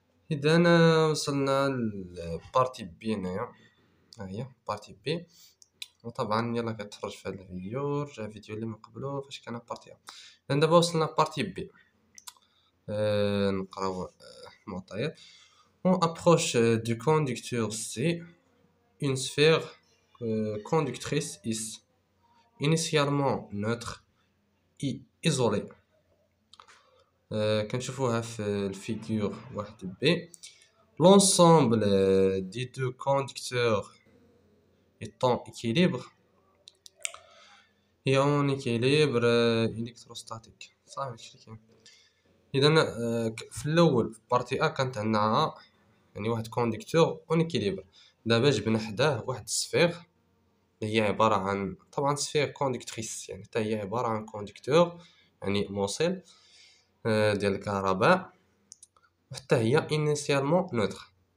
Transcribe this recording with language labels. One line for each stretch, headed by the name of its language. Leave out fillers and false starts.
Arabic: إذا وصلنا لبارتي بي هنايا، ها هي بارتي بي، وطبعا يلا كتفرج في هذا الفيديو، رجع الفيديو اللي من قبله فاش كان بارتي ا. إذا دابا وصلنا لبارتي بي، نقراو المعطيات.
French: On approche du conducteur C une sphère conductrice S initialement neutre et isolée. Comme vous voyez la figure 1B, l'ensemble des deux conducteurs est en équilibre et en équilibre électrostatique. Ça va expliquer. Et dans la partie A, quand on a
Arabic: يعني واحد كونديكتور اون اكيليبر، دابا جبنا حداه واحد السفير اللي هي عباره عن طبعا سفير كونديكتريس، يعني حتى هي عباره عن كونديكتور يعني موصل ديال الكهرباء، وحتى هي انيسيالمون نوتر.